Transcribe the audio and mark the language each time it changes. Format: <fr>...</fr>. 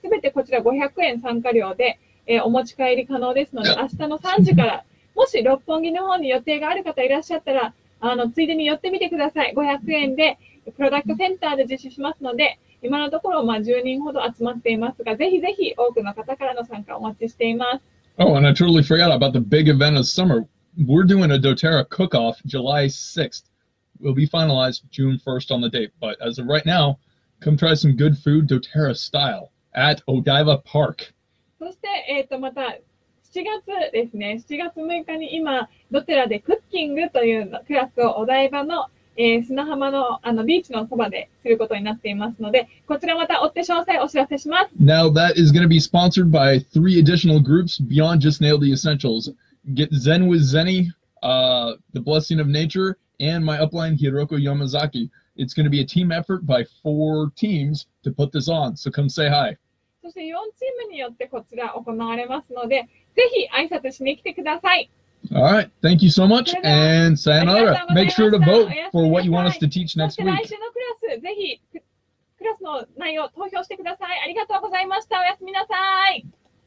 <ja>すべてこちら500円参加料で、お持ち帰り可能ですので、明日の3時から、もし六本木の方に予定がある方いらっしゃったら、ついでに寄ってみてください。 500円で、プロダクトセンターで実施しますので、今のところ、まあ、10人ほど集まっていますが、ぜひぜひ多くの方からの参加をお待ちしています。</ja> <en>Oh, and I totally forgot about the big event of summer. We're doing a doTERRA cook-off July 6th. Will be finalized June 1st on the date. But as of right now, come try some good food doTERRA style at Odaiba Park.</en> <ja>そして、また7月ですね、7月6日に今、doTERRAでクッキングというクラスをお台場の、砂浜の、ビーチのそばですることになっていますので、こちらまた追って詳細お知らせします。</ja> <en>Now that is going to be sponsored by three additional groups beyond just Nail the Essentials. Get Zen with Zenny, The Blessing of Nature,and my upline, Hiroko Yamazaki. It's going to be a team effort by four teams to put this on, so come say hi.</en> <ja>そして4チームによってこちら行われますので、ぜひ挨拶しに来てください。</ja> <en>All right, thank you so much, and sayonara. Make sure to vote for what you want us to teach next week.</en> <ja>来週のクラス、ぜひクラスの内容を投票してください。ありがとうございました。おやすみなさい。</ja>